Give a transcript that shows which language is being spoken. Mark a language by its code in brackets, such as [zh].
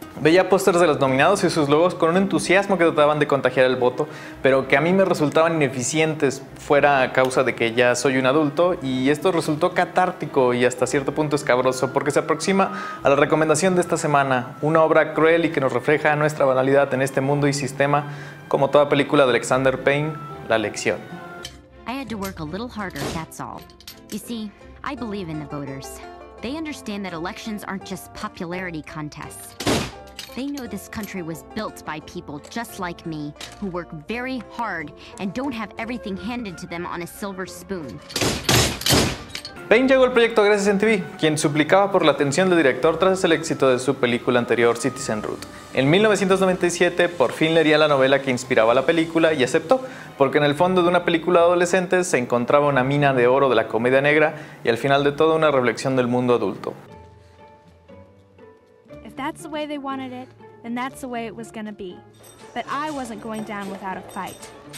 [es] Veía pósters de los nominados y sus logos con un entusiasmo que trataban de contagiar el voto, pero que a mí me resultaban ineficientes, fuera a causa de que ya soy un adulto, y esto resultó catártico y hasta cierto punto escabroso, porque se aproxima a la recomendación de esta semana, una obra cruel y que nos refleja nuestra banalidad en este mundo y sistema, como toda película de Alexander Payne, La Lección. [en] I had to work a little harder, that's all. You see, I believe in the voters. They understand that elections aren't just popularity contests. They know this country was built by people just like me, who work very hard and don't have everything handed to them on a silver spoon. [es] Payne llegó al proyecto gracias a MTV, quien suplicaba por la atención del director tras el éxito de su película anterior, Citizen Root. En 1997, por fin leería la novela que inspiraba la película y aceptó, porque en el fondo de una película de adolescentes se encontraba una mina de oro de la comedia negra y al final de todo una reflexión del mundo adulto. [en] That's the way they wanted it, then that's the way it was gonna be. But I wasn't going down without a fight.